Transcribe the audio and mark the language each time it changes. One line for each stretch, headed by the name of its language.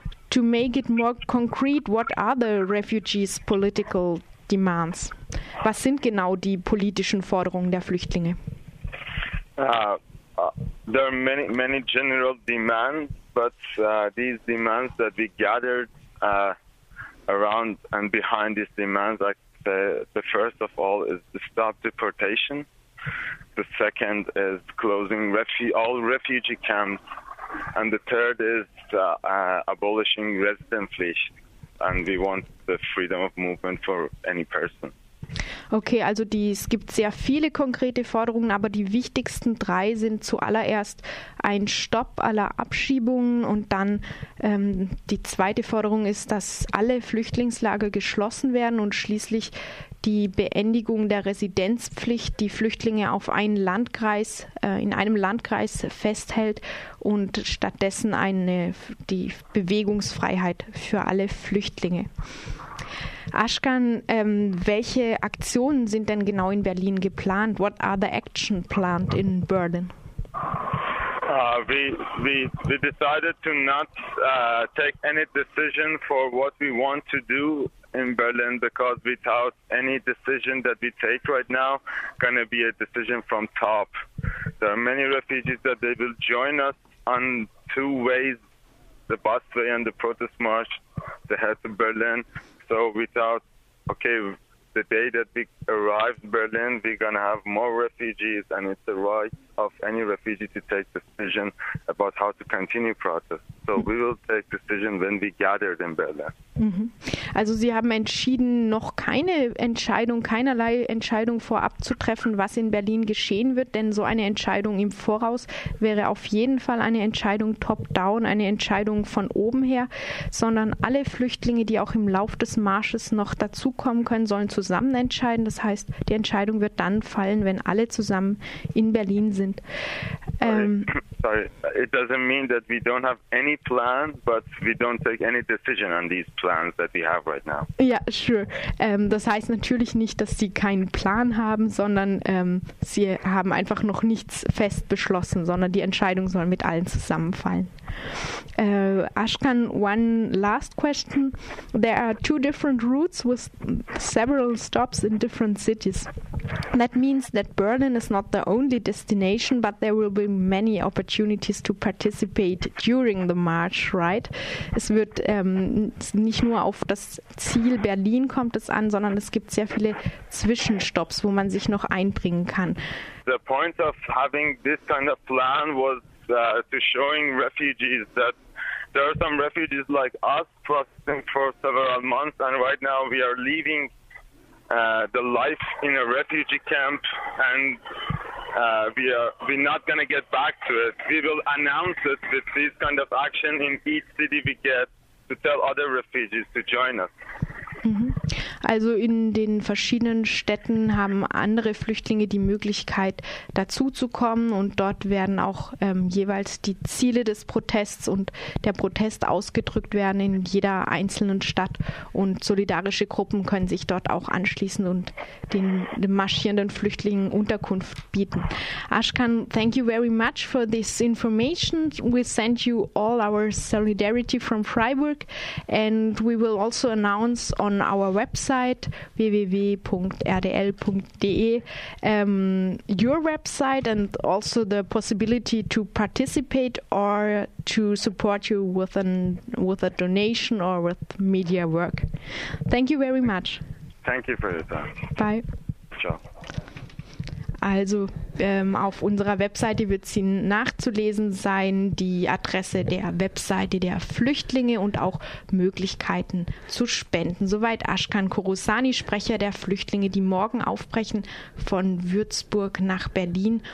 English: To make it more concrete, what are the refugees' political demands?
German: Was sind genau die politischen Forderungen der Flüchtlinge?
English: There are many, many general demands, but these demands that we gathered around and behind these demands, like the first of all is to stop deportation. The second is closing all refugee camps. And the third is abolishing residency, and we want the freedom of movement for any person.
German: Okay, also es gibt sehr viele konkrete Forderungen, aber die wichtigsten drei sind zuallererst ein Stopp aller Abschiebungen und dann die zweite Forderung ist, dass alle Flüchtlingslager geschlossen werden und schließlich die Beendigung der Residenzpflicht, die Flüchtlinge auf einen Landkreis, in einem Landkreis festhält und stattdessen die Bewegungsfreiheit für alle Flüchtlinge. Ashkan, welche Aktionen sind denn genau in Berlin geplant?
English: What are the action planned in Berlin? We decided to not take any decision for what we want to do in Berlin, because without any decision that we take right now, gonna be a decision from top. There are many refugees that they will join us on two ways, the busway and the protest march, to head to Berlin. So without, okay, the day that we arrive in Berlin, we're going to have more refugees, and it's the right of any refugee to take decision about how to continue process. So we will take decision when we gathered in Berlin.
German: Also Sie haben entschieden, noch keinerlei Entscheidung vorab zu treffen, was in Berlin geschehen wird, denn so eine Entscheidung im Voraus wäre auf jeden Fall eine Entscheidung top-down, eine Entscheidung von oben her, sondern alle Flüchtlinge, die auch im Lauf des Marsches noch dazukommen können, sollen zusammen entscheiden. Das heißt, die Entscheidung wird dann fallen, wenn alle zusammen in Berlin sind.
English: Sorry, it doesn't mean that we don't have any plan, but we don't take any decision on these plans that we have right now.
German: Ja,
English: sure.
German: Das heißt natürlich nicht, dass Sie keinen Plan haben, sondern Sie haben einfach noch nichts fest beschlossen, sondern die Entscheidung soll mit allen zusammenfallen.
English: Ashkan, one last question. There are two different routes with several stops in different cities. That means that Berlin is not the only destination, but there will be many opportunities to participate during the march, right?
German: Es wird nicht nur auf das Ziel Berlin kommt es an, sondern es gibt sehr viele Zwischenstops, wo man sich noch einbringen kann.
English: The point of having this kind of plan was to showing refugees that there are some refugees like us processing for several months, and right now we are leaving the life in a refugee camp, and we're not going to get back to it. We will announce it with this kind of action in each city we get to tell other refugees to join us.
German: Also in den verschiedenen Städten haben andere Flüchtlinge die Möglichkeit, dazuzukommen und dort werden auch jeweils die Ziele des Protests und der Protest ausgedrückt werden in jeder einzelnen Stadt und solidarische Gruppen können sich dort auch anschließen und den marschierenden Flüchtlingen Unterkunft bieten.
English: Ashkan, thank you very much for this information. We send you all our solidarity from Freiburg and we will also announce on our website www.rdl.de your website and also the possibility to participate or to support you with a donation or with media work. Thank you very much. Thank you for your time. Bye. Ciao.
German: Also auf unserer Webseite wird sie nachzulesen sein, die Adresse der Webseite der Flüchtlinge und auch Möglichkeiten zu spenden. Soweit Ashkan Kurusani, Sprecher der Flüchtlinge, die morgen aufbrechen von Würzburg nach Berlin.